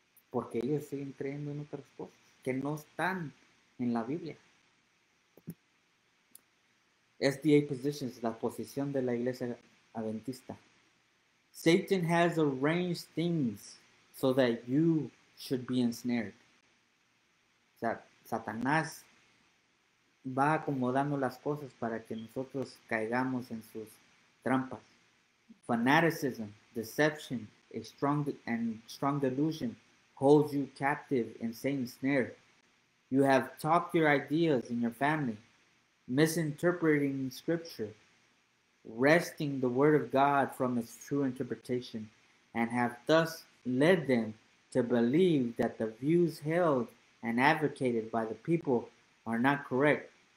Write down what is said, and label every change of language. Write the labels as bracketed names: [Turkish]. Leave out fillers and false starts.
[Spanish] Porque ellos siguen creyendo en otras cosas que no están en la Biblia. SDA Positions, la posición de la Iglesia Adventista. [English] Satan has arranged things so that you should be ensnared. [Spanish] O sea, Satanás va acomodando las cosas para que nosotros caigamos en sus trampas. [English] Fanaticism, deception, a strong delusion holds you captive in Satan's snare. You have talked your ideas in your family misinterpreting scripture, wresting the word of God from its true interpretation, and have thus led them to believe that the views held and advocated by the people are not correct.